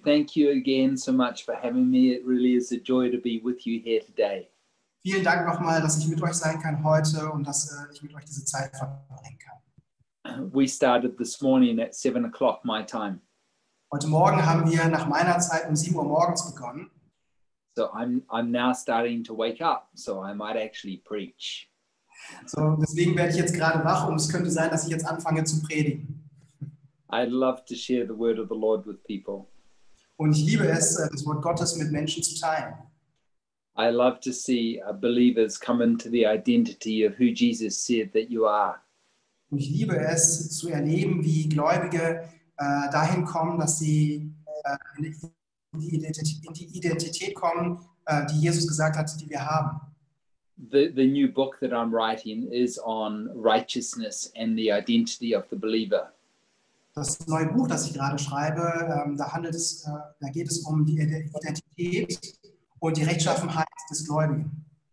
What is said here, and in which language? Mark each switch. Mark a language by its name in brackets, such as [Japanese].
[English] Thank you again so much for having me. It really is a joy to be with you here today. [German] Vielen Dank nochmal, dass ich mit euch sein kann heute und dass ich mit euch diese Zeit verbringen kann. [English] We started this morning at 7 o'clock my time. [German] Heute Morgen haben wir nach meiner Zeit 7 Uhr morgens begonnen. [English] So I'm now starting to wake up, so I might actually preach. [German] So deswegen werde ich jetzt gerade wach und es könnte sein, dass ich jetzt anfange zu predigen. [English] I'd love to share the word of the Lord with people. [German] Und ich liebe es, das Wort Gottes mit Menschen zu teilen. [English] I love to see believers come into the identity of who Jesus said that you are. [German] Ich liebe es zu erleben, wie Gläubige dahin kommen, dass sie in die Identität kommen, die Jesus gesagt hat, die wir haben. [English] The new book that I'm writing is on righteousness and the identity of the believer. [German] Das neue Buch, das ich gerade schreibe, da geht es um die Identität und die Rechtschaffenheit des Gläubigen.